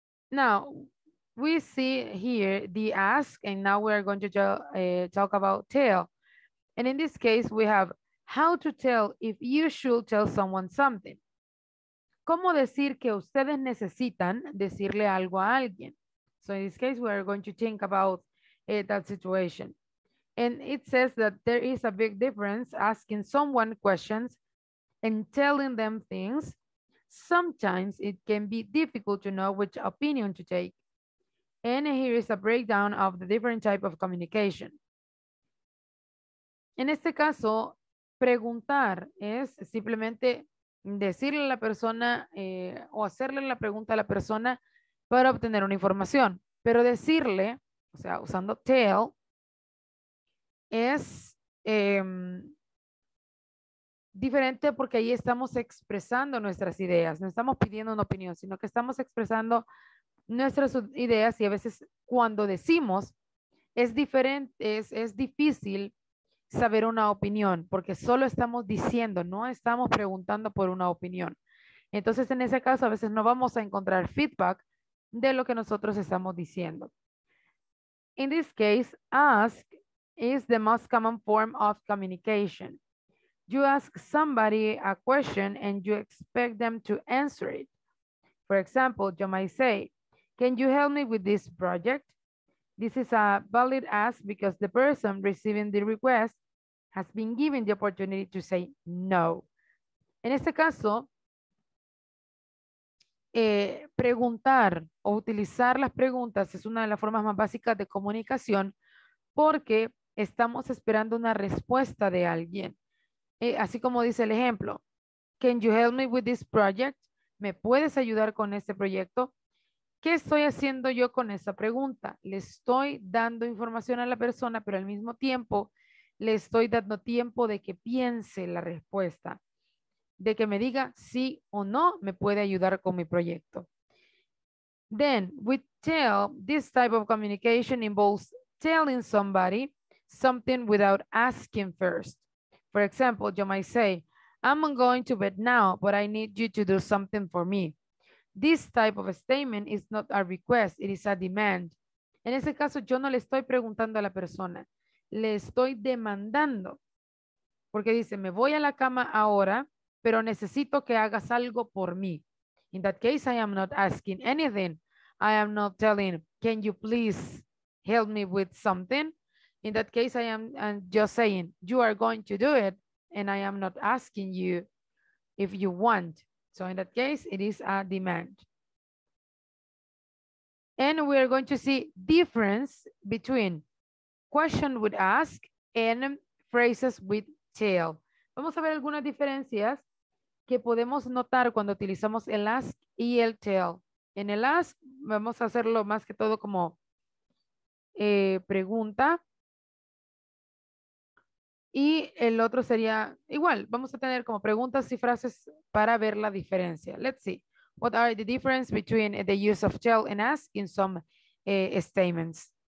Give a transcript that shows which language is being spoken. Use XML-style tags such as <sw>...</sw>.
<en>Now, we see here the ask, and now we are going to talk about tell. And in this case, we have how to tell if you should tell someone something.</en> <es>¿Cómo decir que ustedes necesitan decirle algo a alguien?</es> <en>So in this case, we are going to think about that situation. And it says that there is a big difference asking someone questions and telling them things. Sometimes it can be difficult to know which opinion to take. And here is a breakdown of the different type of communication.</en> <es>En este caso, preguntar es simplemente decirle a la persona o hacerle la pregunta a la persona para obtener una información. Pero decirle, o sea, usando tell, es diferente porque ahí estamos expresando nuestras ideas, no estamos pidiendo una opinión, sino que estamos expresando nuestras ideas y a veces cuando decimos es diferente, es difícil saber una opinión porque solo estamos diciendo, no estamos preguntando por una opinión. Entonces en ese caso a veces no vamos a encontrar feedback de lo que nosotros estamos diciendo.</es> <en>In this case, ask is the most common form of communication. You ask somebody a question and you expect them to answer it. For example, you might say, can you help me with this project? This is a valid ask because the person receiving the request has been given the opportunity to say no.</en> <es>En este caso, preguntar o utilizar las preguntas es una de las formas más básicas de comunicación porque estamos esperando una respuesta de alguien. Así como dice el ejemplo,</es> <en>can you help me with this project?</en> <es>¿Me puedes ayudar con este proyecto? ¿Qué estoy haciendo yo con esa pregunta? Le estoy dando información a la persona, pero al mismo tiempo le estoy dando tiempo de que piense la respuesta, de que me diga sí o no me puede ayudar con mi proyecto.</es> <en>Then, we tell, this type of communication involves telling somebody something without asking first. For example, you might say, I'm going to bed now, but I need you to do something for me. This type of statement is not a request, it is a demand.</en> <es>En ese caso, yo no le estoy preguntando a la persona, le estoy demandando. Porque dice, me voy a la cama ahora, pero necesito que hagas algo por mí.</es> <en>In that case, I am not asking anything. I am not telling, can you please help me with something? In that case, I am just saying, you are going to do it, and I am not asking you if you want. So in that case, it is a demand. And we are going to see difference between question with ask and phrases with tell.</en> <es>Vamos a ver algunas diferencias que podemos notar cuando utilizamos el ask y el tell. En el ask, vamos a hacerlo más que todo como pregunta. Y el otro sería igual, vamos a tener como preguntas y frases para ver la diferencia.</es> <en>Let's see. What are the difference between the use of tell and ask in some statements?</en>